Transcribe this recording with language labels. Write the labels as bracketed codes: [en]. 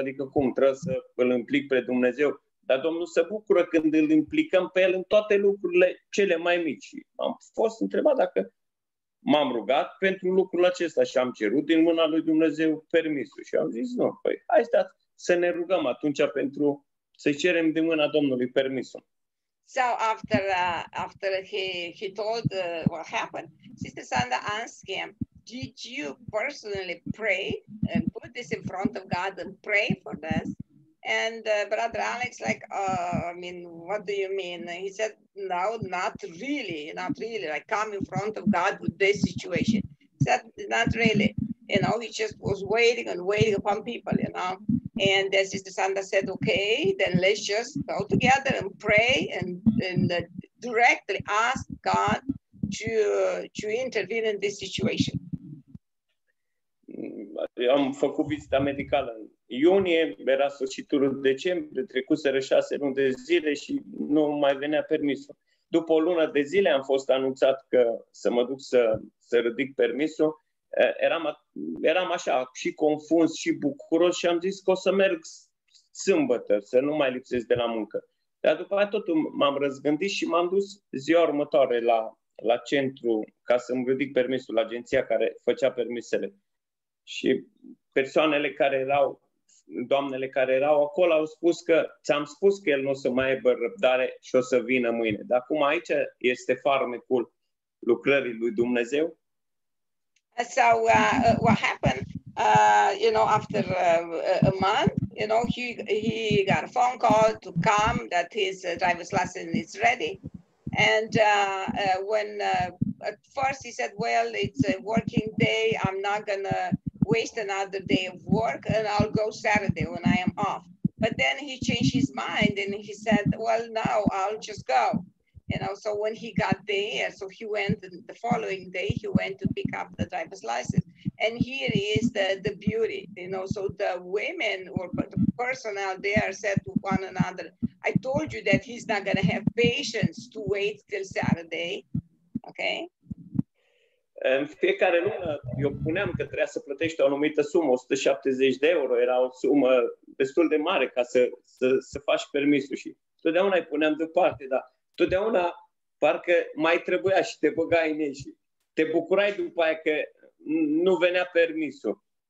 [ro] Adică cum, trebuie să îl implic pe Dumnezeu? Dar Domnul se bucură când îl implicăm pe El în toate lucrurile cele mai mici. Am fost întrebat dacă m-am rugat pentru lucrul acesta și am cerut din mâna lui Dumnezeu permisul. Și am zis, nu, păi hai stați să ne rugăm atunci pentru să cerem din mâna Domnului permisul. [en] So after he told what happened, Sister Sandra asked him, did you personally pray and put this in front of God and pray for this? And Brother Alex, what do you mean? And he said, no, not really. Like, come in front of God with this situation. He said, not really. You know, he just was waiting upon people, you know. And then Sister Sandra said, okay, then let's just go together and pray and directly ask God to intervene in this situation. [ro] Am făcut vizita medicală în iunie, era sfârșitul decembrie, trecuseră 6 luni de zile și nu mai venea permisul. După o lună de zile am fost anunțat că să mă duc să ridic permisul. Eram așa și confuns și bucuros și am zis că o să merg sâmbătă, să nu mai lipsesc de la muncă. Dar după aceea totul m-am răzgândit și m-am dus ziua următoare la centru ca să-mi ridic permisul, la agenția care făcea permisele. Și persoanele care erau, doamnele care erau acolo, au spus că ți-am spus că el nu o să mai aibă răbdare și o să vină mâine. Dar acum aici este farmecul lucrării lui Dumnezeu. [en] So what happened, after a month, you know, he got a phone call to come that his driver's license is ready. And at first he said, well, it's a working day. I'm not going to waste another day of work and I'll go Saturday when I am off. But then he changed his mind and he said, well, no, I'll just go. You know, so when he got there, so he went the following day, he went to pick up the driver's license. And here is the beauty, you know, so the women or the personnel there said to one another, I told you that he's not going to have patience to wait till Saturday, okay? [ro] În fiecare lună, eu puneam că trebuia să plătești o anumită sumă, 170 de euro, era o sumă destul de mare ca să faci permisul și totdeauna îi puneam deoparte, dar totdeauna parcă mai trebuia și te băgai în ei și te bucurai după aia că nu venea permisul.